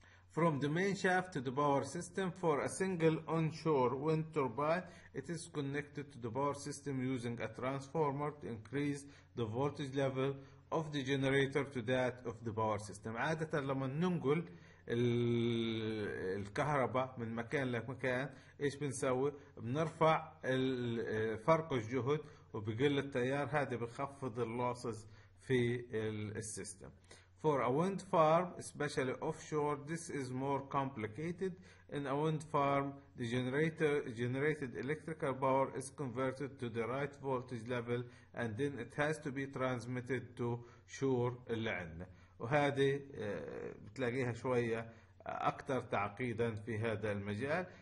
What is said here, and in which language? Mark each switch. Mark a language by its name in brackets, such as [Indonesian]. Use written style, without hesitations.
[English] From the main shaft to the power system for a single onshore wind turbine, it is connected to the power system using a transformer to increase the voltage level of the generator to that of the power system. [Arabic] عادة لما ننقل الكهرباء من مكان لمكان ايش بنسوي؟ بنرفع فرق الجهد وبقل التيار، هذا بخفض اللوسز في السيستم. [English] For a wind farm, especially offshore, this is more complicated. In a wind farm, the generated electrical power is converted to the right voltage level and then it has to be transmitted to shore [Arabic] اللي عندنا. وهذه بتلاقيها شوية أكثر تعقيدا في هذا المجال.